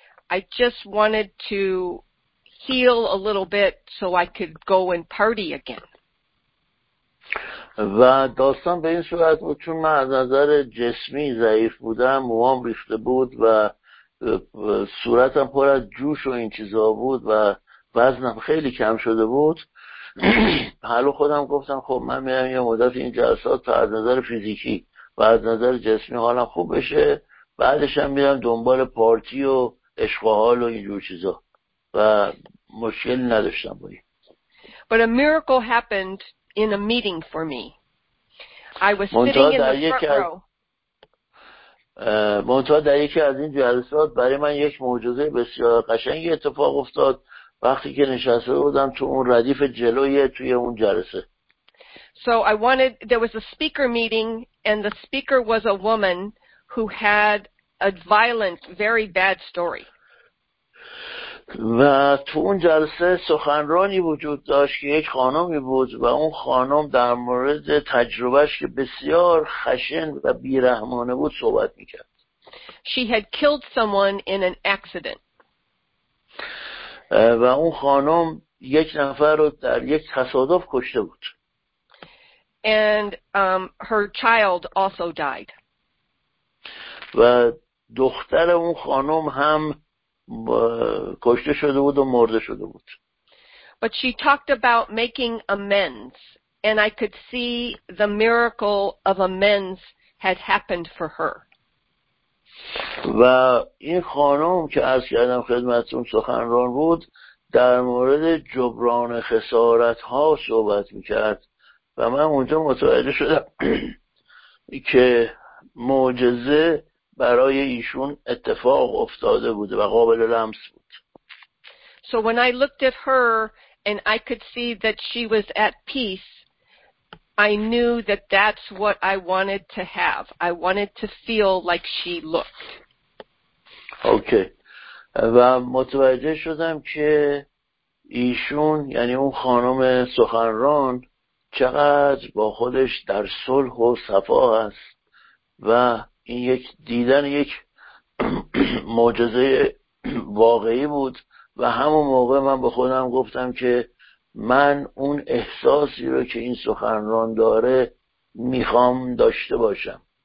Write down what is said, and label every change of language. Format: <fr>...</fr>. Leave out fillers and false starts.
<en>I just wanted to heal a little bit so I could go and party again.</en> <fa>و داستان به این صورت بود، چون من از نظر جسمی ضعیف بودم، موام ریخته بود و صورتم پر از جوش و این چیزا بود و وزنم خیلی کم شده بود. حالا خودم گفتم خب من میرم یه مدت این جلسات تا از نظر فیزیکی و از نظر جسمی حالم خوب بشه، بعدش هم میرم دنبال پارتی و عشق و حال و اینجور چیزا و مشکل نداشتم با این.</fa> <en>But a miracle happened in a meeting for me. I was sitting in the front row.</en> <fa>منطقه در یکی از این جلسات برای من یک معجزه بسیار قشنگی اتفاق افتاد وقتی که نشسته بودم تو اون ردیف جلوی توی اون جلسه.</fa> <en>So I wanted, there was a speaker meeting and the speaker was a woman who had a violent, very bad story.</en> <fa>و تو اون جلسه سخنرانی وجود داشت که یک خانمی بود و اون خانم در مورد تجربهش که بسیار خشن و بیرحمانه بود صحبت میکرد.</fa> <en>She had killed someone in an accident.</en> <fa>و اون خانم یک نفر رو در یک تصادف کشته بود.</fa> <en>And her child also died.</en> <fa>و دختر اون خانم هم کشته شده بود و مرده شده بود.</fa> <en>But she talked about making amends and I could see the miracle of amends had happened for her.</en> <fa>و این خانم که عرض کردم خدمتتون سخنران بود در مورد جبران خسارت ها صحبت میکرد و من اونجا متوجه شدم که معجزه برای ایشون اتفاق افتاده بود و قابل لمس بود.</fa> <en>So when I looked at her and I could see that she was at peace, I knew that that's what I wanted to have. I wanted to feel like she looked. Okay.</en> <fa>و متوجه شدم که ایشون یعنی اون خانم سخنران چقدر با خودش در صلح و صفا است و این یک دیدن یک معجزه واقعی بود و همون موقع من به خودم گفتم که من اون احساسی رو که این سخنران داره میخوام داشته باشم.</fa>